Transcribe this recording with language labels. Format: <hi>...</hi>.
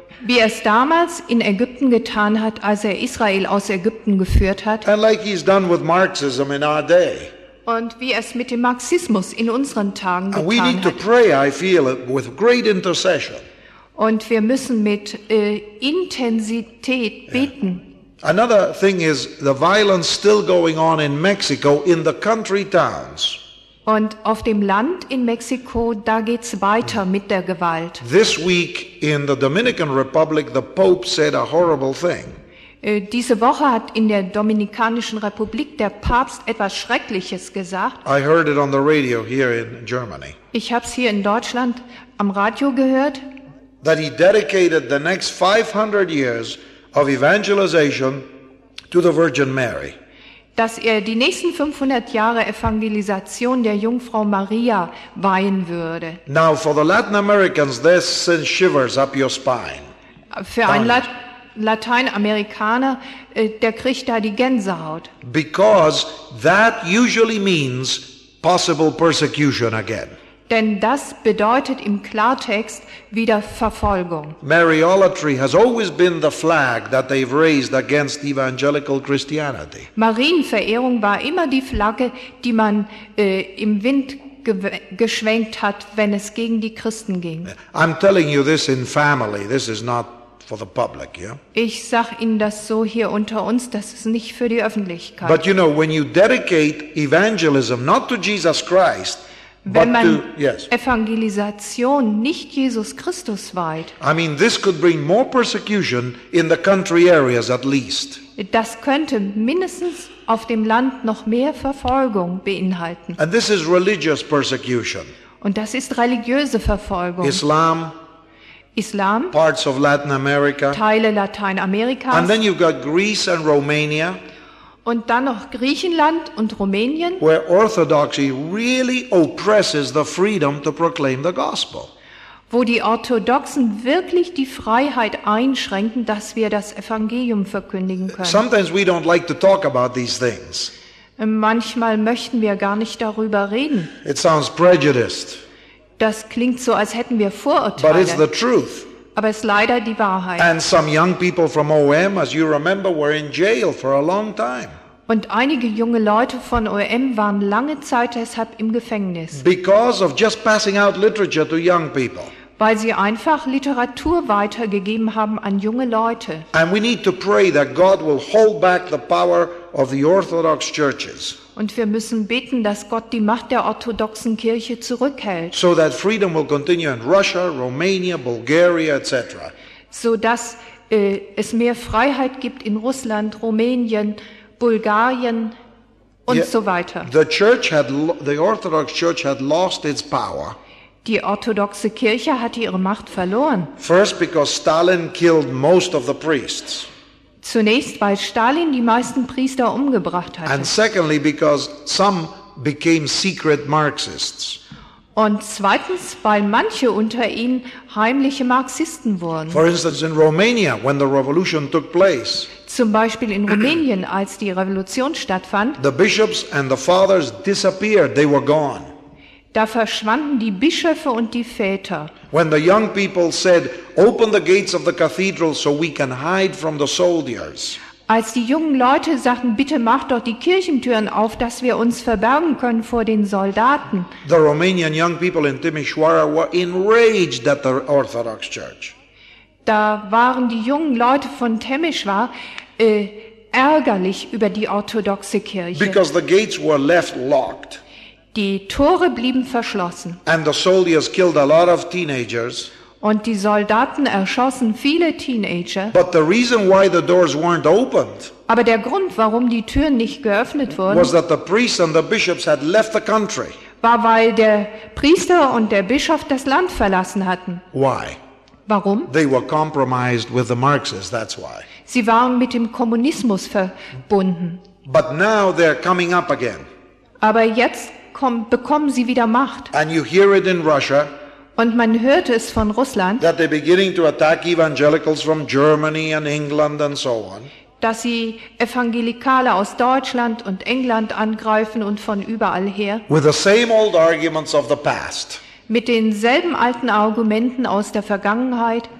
<de>Wie er es damals in Ägypten getan hat, als er Israel aus Ägypten geführt hat.</de> <en>And like he's done with Marxism in our day.</en> <de>Und wie es mit dem Marxismus in unseren Tagen getan hat.</de> <en>And we need to pray, I feel, with great intercession.</en> <de>Und wir müssen mit Intensität beten.</de> <en>Another thing is the violence still going on in Mexico in the country towns.</en> <de>Und auf dem Land in Mexiko, da geht's weiter mit der Gewalt.</de> <en>This week in the Dominican Republic, the Pope said a horrible thing.</en> <de>Diese Woche hat in der Dominikanischen Republik der Papst etwas Schreckliches gesagt.</de> <en>I heard it on the radio here in Germany.</en> <de>Ich hab's hier in Deutschland am Radio gehört.</de> <en>That he dedicated the next 500 years of evangelization to the Virgin Mary.</en> <de>dass er die nächsten 500 Jahre Evangelisation der Jungfrau Maria weihen würde.</de> <en>Now for the Latin Americans, this sends shivers up your spine.</en> <de>Für einen Lateinamerikaner, der kriegt da die Gänsehaut.</de> <en>Because that usually means possible persecution again.</en> <de>Denn das bedeutet im Klartext wieder Verfolgung.</de> <en>Mariolatry has always been the flag that they've raised against evangelical Christianity.</en> <de>Marienverehrung war immer die Flagge, die man im Wind geschwenkt hat, wenn es gegen die Christen ging.</de> <en>I'm telling you this in family. This is not for the public, yeah?</en> <de>Ich sag Ihnen das so hier unter uns, das ist nicht für die Öffentlichkeit.</de> <en>But you know, when you dedicate evangelism not to Jesus Christ,</en> <de>wenn man</de> <en>yes.</en> <de>Evangelisation nicht Jesus Christus weiht.</de> <en>I mean, this could bring more persecution in the country areas at least.</en> <de>Das könnte mindestens auf dem Land noch mehr Verfolgung beinhalten.</de> <en>And this is religious persecution.</en> <de>Und das ist religiöse Verfolgung.</de> <en>Islam, parts of Latin America,</en> <de>Teile Lateinamerikas.</de> <en>And then you've got Greece and Romania.</en> <de>Und dann noch Griechenland und Rumänien,</de> <en>where orthodoxy really oppresses the freedom to proclaim the gospel.</en> <de>Wo die Orthodoxen wirklich die Freiheit einschränken, dass wir das Evangelium verkündigen können.</de> <en>Sometimes we don't like to talk about these things.</en> <de>Manchmal möchten wir gar nicht darüber reden.</de> <en>It sounds prejudiced.</en> <de>Das klingt so, als hätten wir Vorurteile.</de> <en>But it's the truth.</en> <de>Aber es ist leider die Wahrheit.</de> <en>And some young people from OM, as you remember, were in jail for a long time.</en> <de>Und einige junge Leute von OM waren lange Zeit deshalb im Gefängnis.</de> <en>Because of just passing out literature to young people.</en> <de>Weil sie einfach Literatur weitergegeben haben an junge Leute.</de> <en>And we need to pray that God will hold back the power of the Orthodox churches.</en> <de>Und wir müssen beten, dass Gott die Macht der orthodoxen Kirche zurückhält.</de> <en>So that freedom will continue in Russia, Romania, Bulgaria, etc.</en> <de>So dass es mehr Freiheit gibt in Russland, Rumänien, Bulgarien und so weiter.</de> <en>The Orthodox Church had lost its power.</en> <de>Die orthodoxe Kirche hatte ihre Macht verloren.</de> <en>First because Stalin killed most of the priests.</en> <de>Zunächst, weil Stalin die meisten Priester umgebracht hatte.</de> <en>And secondly, because some became secret Marxists.</en> <de>Und zweitens, weil manche unter ihnen heimliche Marxisten wurden.</de> <en>For instance, in Romania, when the revolution took place.</en> <de>Zum Beispiel in Rumänien, als die Revolution stattfand.</de> <en>The bishops and the fathers disappeared. They were gone.</en> <de>Da verschwanden die Bischöfe und die Väter.</de> <en>When the young people said, "Open the gates of the cathedral so we can hide from the soldiers."</en> <de>Als die jungen Leute sagten, bitte macht doch die Kirchentüren auf, dass wir uns verbergen können vor den Soldaten.</de> <en>The Romanian young people in Timișoara were enraged at the Orthodox Church.</en> <de>Da waren die jungen Leute von Timișoara ärgerlich über die orthodoxe Kirche.</de> <en>Because the gates were left locked.</en> <de>Die Tore blieben verschlossen.</de> <en>And the soldiers killed a lot of teenagers.</en> <de>Und die Soldaten erschossen viele Teenager.</de> <en>But the reason why the doors weren't opened,</en> <de>aber der Grund, warum die Türen nicht geöffnet wurden,</de> <en>was that the priests and the bishops had left the country.</en> <de>War, weil der Priester und der Bischof das Land verlassen hatten.</de> <en>Why?</en> <de>Warum?</de> <en>They were compromised with the Marxists, that's why.</en> <de>Sie waren mit dem Kommunismus verbunden.</de> <en>But now they're coming up again.</en> <de>Aber jetzt bekommen sie wieder Macht.</de> <en>And you hear it in Russia,</en> <de>und man hört es von Russland,</de> <en>that they're beginning to attack evangelicals from Germany and England and so on.</en> <de>Dass sie Evangelikale aus Deutschland und England angreifen und von überall her.</de> <en>With the same old arguments of the past.</en> <de>Mit denselben alten Argumenten aus der Vergangenheit.</de>